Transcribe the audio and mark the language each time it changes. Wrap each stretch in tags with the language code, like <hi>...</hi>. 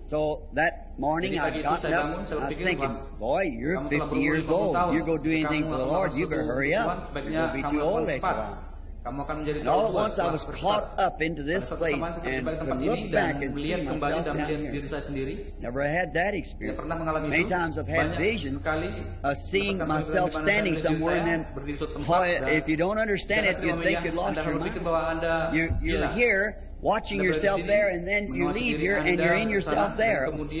<en>So that morning I got up, I was thinking, boy, you're 50 years old. You go do anything for the Lord, you better hurry up. You'll be too old later.</en> <id>Kamu akan menjadi tua.</id> <en>All at once I was caught up into this place and looked back and</en> <id>melihat kembali dan melihat diri saya sendiri.</id> <en>Never had that experience.</en> <id>Pernah mengalami itu.</id> <en>Many times I've had visions. Seeing myself standing somewhere and then</en> <id>berdiri suatu tempat.</id> <en>If you don't understand it, you think you lost your mind. You're here watching yourself there and then you leave here and you're in yourself there.</en>